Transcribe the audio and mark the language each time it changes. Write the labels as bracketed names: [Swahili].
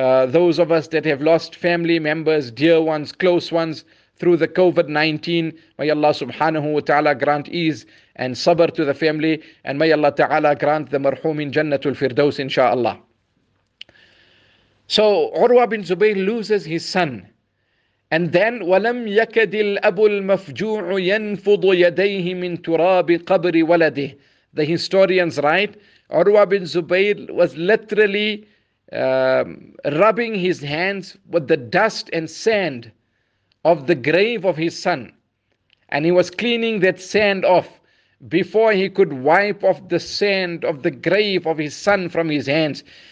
[English] Those of us that have lost family members, dear ones, close ones through the COVID-19, may Allah subhanahu wa ta'ala grant ease and sabr to the family, and may Allah ta'ala grant the marhum in Jannatul Firdaus, insha'Allah. So Urwah bin Zubayr loses his son. And then, [Arabic] وَلَمْ يَكَدِ الْأَبُ الْمَفْجُوعُ يَنْفُضُ يَدَيْهِ مِنْ تُرَابِ قَبْرِ وَلَدِهِ. [English] The historians write, Urwah bin Zubayr was literally rubbing his hands with the dust and sand of the grave of his son. And he was cleaning that sand off before he could wipe off the sand of the grave of his son from his hands.